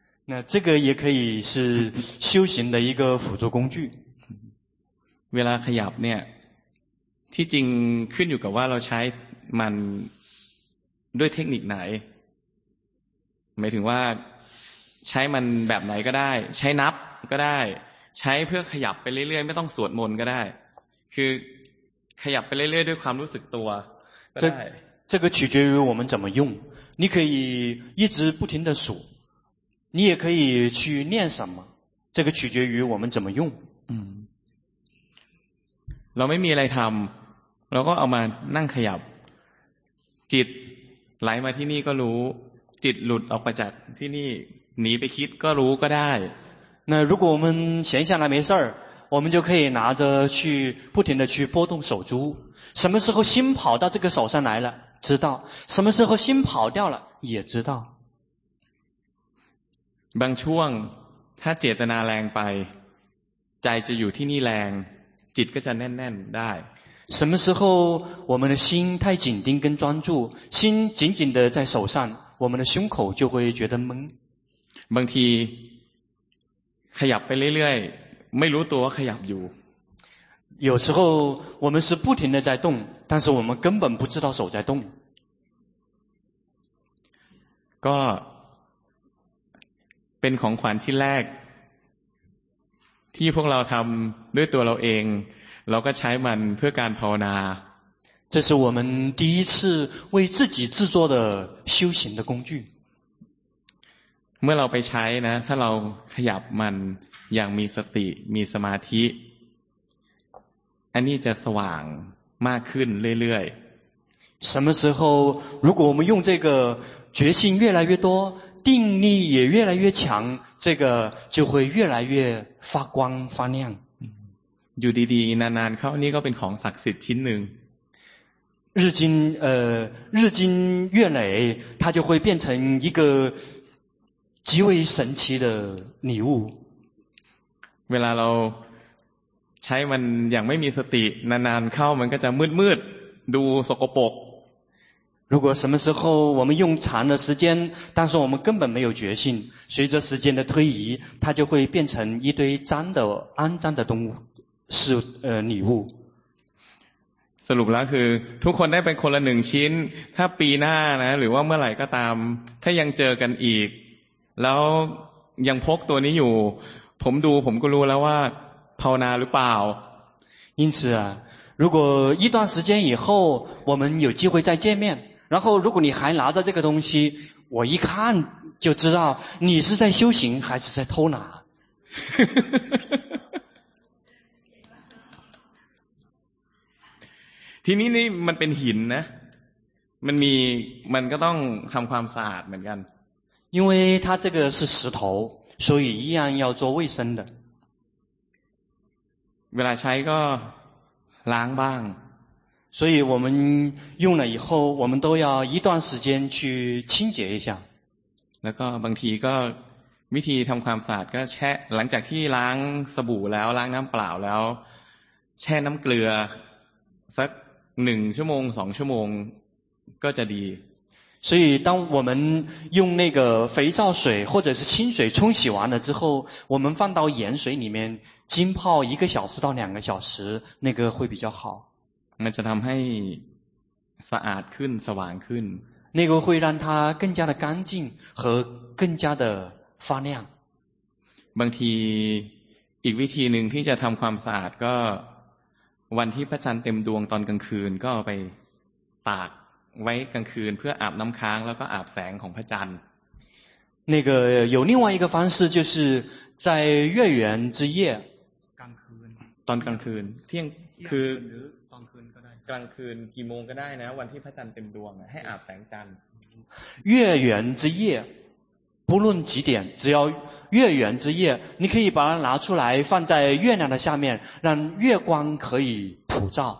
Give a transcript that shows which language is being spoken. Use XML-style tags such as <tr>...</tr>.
<zh>那这个也可以是修行的一个辅助工具</zh> <th>เวลาขยับเนี่ยที่จริงขึ้นอยู่กับว่าเราใช้มันด้วยเทคนิคไหนหมายถึงว่าใช้มันแบบไหนก็ได้ใช้นับก็ได้ใช้เพื่อขยับไปเรื่อยๆไม่ต้องสวดมนต์ก็ได้คือขยับไปเรื่อยๆด้วยความรู้สึกตัว</th> <zh>这个取决于我们怎么用你可以一直不停地数你也可以去念什么这个取决于我们怎么用</zh> <th>เราไม่มีอะไรทำเราก็เอามานั่งขยับจิตไหลมาที่นี่ก็รู้จิตหลุดออกไปจากที่นี่หนีไปคิดก็รู้ก็ได้</th> <zh>那如果我们闲下来没事儿我们就可以拿着去不停的去拨动手珠什么时候心跑到这个手上来了知道什么时候心跑掉了也知道</zh> <th>บางช่วงถ้าเจตนาแรงไปใจจะอยู่ที่นี่แรงจิตก็จะแน่นๆได้</th> <zh>什么时候我们的心太紧盯跟专注心紧紧的在手上我们的胸口就会觉得闷</zh> <th>บางทีขยับไปเรื่อยๆไม่รู้ตัวขยับอยู่</th> <zh>有时候我们是不停的在动但是我们根本不知道手在动</zh> <th>ก็เป็นของขวัญที่แรกที่พวกเราทำด้วยตัวเราเองเราก็ใช้มันเพื่อการภาวนา</th> <zh>这是我们第一次为自己制作的修行的工具</zh> <th>เมื่อเราไปใช้นะถ้าเราขยับมันอย่างมีสติมีสมาธิอันนี้จะสว่างมากขึ้นเรื่อย</th> <zh>ๆ什么时候如果我们用这个决心越来越多定力也越来越强这个就会越来越发光发亮</zh> <th>อยู่ดีๆนานๆเข้านี่ก็เป็นของศักดิ์สิทธิ์ชิ้นหนึ่ง</th> <zh>日经月累它就会变成一个极为神奇的礼物</zh> <th>เวลาเราใช้มันอย่างไม่มีสตินานๆเข้ามันก็จะมืดๆดูสกปรก</th> <zh>如果什么时候我们用长的时间但是我们根本没有决心随着时间的推移它就会变成一堆脏的肮脏的东西是礼物</zh> <th>สรุปแล้วคือทุกคนได้เป็นคนละหนึ่งชิ้นถ้าปีหน้านะหรือว่าเมื่อไหร่ก็ตามถ้ายังเจอกันอีกแล้วยังพกตัวนี้อยู่ผมดูผมก็รู้แล้วว่าภาวนาหรือเปล่า</th> <zh>因此啊如果一段时间以后我们有机会再见面然后如果你还拿着这个东西我一看就知道你是在修行还是在偷拿</zh> <th>ทีนี้นี่มันเป็นหินนะมันก็ต้องทำความสะอาดเหมือนกัน</th> <zh>因为它这个是石头所以一样要做卫生的</zh> <th>เวลาใช้ก็ล้างบ้าง</th> <zh>所以我们用了以后我们都要一段时间去清洁一下</zh> <th>แล้วก็บางทีก็วิธีทำความสะอาดก็แช่หลังจากที่ล้างสบู่แล้วล้างน้ำเปล่าแล้วแช่น้ำเกลือสักหนึ่งชั่วโมงสองชั่วโมงก็จะดี</th> <zh>所以当我们用那个肥皂水或者是清水冲洗完了之后我们放到盐水里面浸泡一个小时到两个小时那个会比较好</zh> <th>มันจะทำให้สะอาดขึ้นสว่างขึ้น</th> <zh>那个会让它更加的干净和更加的发亮</zh> <th>บางทีอีกวิธีหนึ่งที่จะทำความสะอาดก็วันที่พระจันทร์เต็มดวงตอนกลางคืนก็เอาไปตากไว้กลางคืนเพื่ออาบน้ำค้างแล้วก็อาบแสงของพระจันทร์</th> <zh>那个有另外一个方式就是在月圆之夜</zh> <th>กลางคืน ตอนกลางคืนเที่ยง คืนหรือตอนคืนก็ได้กลางคืนกี่โมงก็ได้นะวันที่พระจันทร์เต็มดวงให้อาบแสงจันทร์月圆之夜不论几点只要月圆之夜你可以把它拿出来放在月亮的下面让月光可以普照</th>